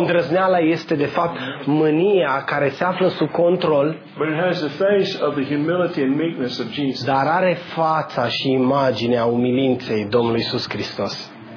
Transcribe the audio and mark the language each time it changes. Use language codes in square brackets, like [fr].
[ro] Îndrăzneala este de fapt mânia care se află sub control. [en] But it has the face of the humility and meekness of Jesus. [ro] Dar are fața și imaginea umilinței Domnului Iisus Hristos.